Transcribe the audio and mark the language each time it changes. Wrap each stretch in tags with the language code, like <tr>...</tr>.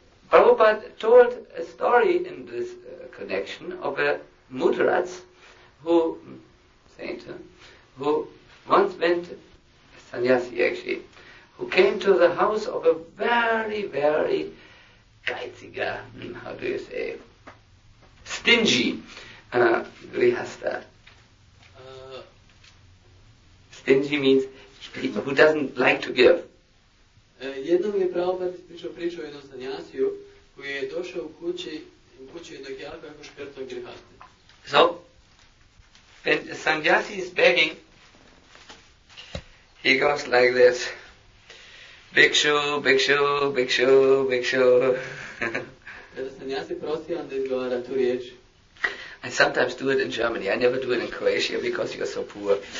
<en>Prabhupada told a story in this connection of a mudrats who, saint, who once went, sannyasi actually, who came to the house of a very, very geiziger, how do you say, stingy grihastha. Stingy means who doesn't like to give.</en> <hr>Jednom je Prabhupada ispričao priču o jednom sannyasiju koji je došao u kući jednog jako škrtog grihaste.</hr> <en>So, when a sannyasi is begging, he goes like this.</en> <sa>Bhikshu, bhikshu, bhikshu, bhikshu.</sa> <hr>Kada sannyasi prosi, onda izgovara tu riječ.</hr> <en>I sometimes do it in Germany. I never do it in Croatia because you are so poor.</en>